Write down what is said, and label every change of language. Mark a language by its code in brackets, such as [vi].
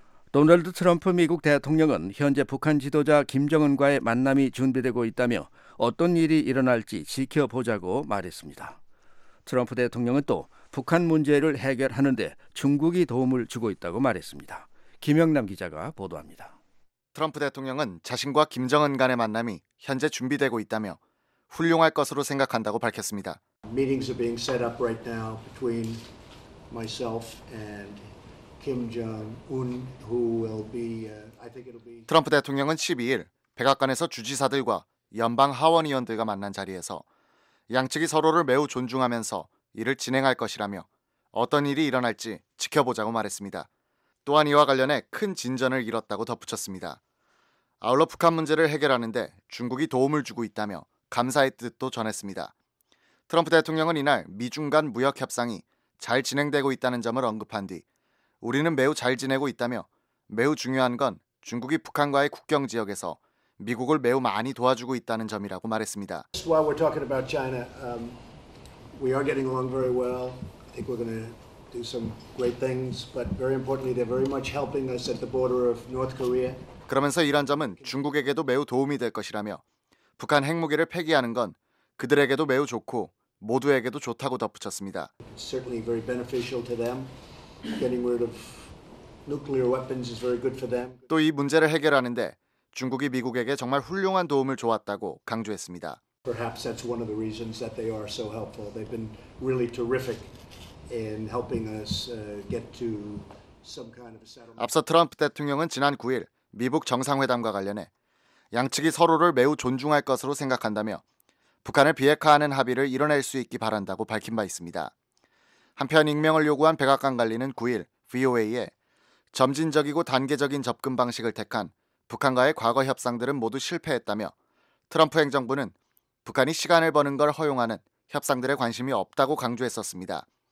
[ko] 도널드 트럼프 미국 대통령은 현재 북한 지도자 김정은과의 만남이 준비되고 있다며 어떤 일이 일어날지 지켜보자고 말했습니다. 트럼프 대통령은 또 북한 문제를 해결하는데 중국이 도움을 주고 있다고 말했습니다. 김영남 기자가 보도합니다. 트럼프 대통령은 자신과 김정은 간의 만남이 현재 준비되고 있다며 훌륭할 것으로 생각한다고 밝혔습니다. [en] Meetings are being set up right now between myself and Kim Jong-un, who will be, I think it'll be. [ko] 트럼프 대통령은 12일 백악관에서 주지사들과 연방 하원의원들과 만난 자리에서 양측이 서로를 매우 존중하면서 일을 진행할 것이라며 어떤 일이 일어날지 지켜보자고 말했습니다. 또한 이와 관련해 큰 진전을 이뤘다고 덧붙였습니다. 아울러 북한 문제를 해결하는데 중국이 도움을 주고 있다며 감사의 뜻도 전했습니다. 트럼프 대통령은 이날 미중 간 무역 협상이 잘 진행되고 있다는 점을 언급한 뒤 우리는 매우 잘 지내고 있다며 매우 중요한 건 중국이 북한과의 국경 지역에서 미국을 매우 많이 도와주고 있다는 점이라고 말했습니다. [en] While we're talking about China, we are getting along very well. I think we're going to do some great things, but very importantly, they're very much helping us at the border of North Korea. [ko] 그러면서 이런 점은 중국에게도 매우 도움이 될 것이라며 북한 핵무기를 폐기하는 건 그들에게도 매우 좋고 모두에게도 좋다고 덧붙였습니다. [en] Certainly very beneficial to them. Getting rid of nuclear weapons is very good for them. [ko] 또 이 문제를 해결하는데 중국이 미국에게 정말 훌륭한 도움을 주었다고 강조했습니다. [en] Perhaps that's one of the reasons that they are so helpful. They've been really terrific in helping us get to some kind of a settlement. [ko] 앞서 트럼프 대통령은 지난 9일 미북 정상회담과 관련해 양측이 서로를 매우 존중할 것으로 생각한다며 북한을 비핵화하는 합의를 이뤄낼 수 있기 바란다고 밝힌 바 있습니다. 한편 익명을 요구한 백악관 관리는 9일 VOA에 점진적이고 단계적인 접근 방식을 택한 북한과의 과거 협상들은 모두 실패했다며 트럼프 행정부는 북한이 시간을 버는 걸 허용하는 협상들에 관심이 없다고 강조했었습니다.